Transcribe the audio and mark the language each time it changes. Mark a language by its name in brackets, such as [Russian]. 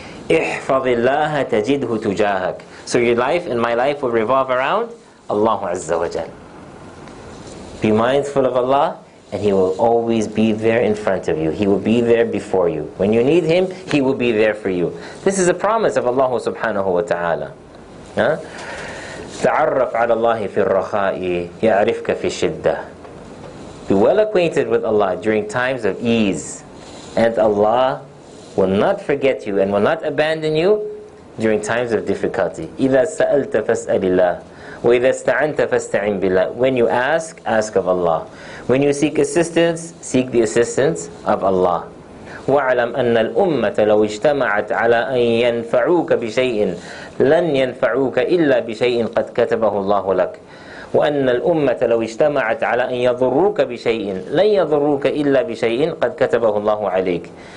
[Arabic] احفظ الله تجده تجاهك. [English] So your life and my life will revolve around Allah Azza wa Jal. Be mindful of Allah and He will always be there in front of you. He will be there before you. When you need Him, He will be there for you. This is a promise of Allah subhanahu wa ta'ala. Huh? [Arabic] تعرف على الله في الرخاء يعرفك في الشدة. [English] Be well acquainted with Allah during times of ease, and Allah will not forget you and will not abandon you during times of difficulty. [Arabic] إذا سألت فاسأل الله وإذا استعنت فاستعن بالله. [English] When you ask, ask of Allah. When you seek assistance, seek the assistance of Allah. [Arabic] وَعْلَمْ أَنَّ الْأُمَّةَ لَوْ اجْتَمَعَتْ عَلَىٰ أَنْ يَنْفَعُوكَ بِشَيْءٍ لَنْ يَنْفَعُوكَ إِلَّا بِشَيْءٍ قَدْ كَتَبَهُ اللَّهُ لَكَ وَأَنَّ الْأُمَّةَ لَوْ اجْتَمَعَتْ عَلَىٰ أَنْ يَضُرُّوكَ بِشَيْءٍ لَنْ يَضُرُّوكَ إِلَّا بِشَيْءٍ قَدْ كَتَبَهُ اللَّهُ عَلَيْكَ.